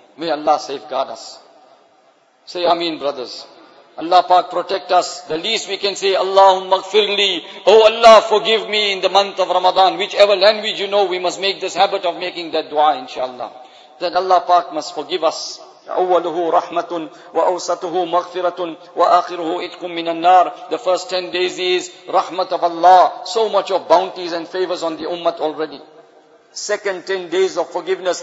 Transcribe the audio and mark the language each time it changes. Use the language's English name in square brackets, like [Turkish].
[English] May Allah safeguard us. Say Ameen, brothers. Allah Pak protect us. The least we can say, [Arabic] Allahumma gfirli. [English] Oh Allah, forgive me in the month of Ramadan. Whichever language you know, we must make this habit of making that dua, inshallah. That Allah Pak must forgive us. [Arabic] أوله رحمة وأوسطه مغفرة وآخره إتق من النار. [English] The first 10 days is rahmat of Allah. So much of bounties and favors on the ummah already. Second 10 days of forgiveness.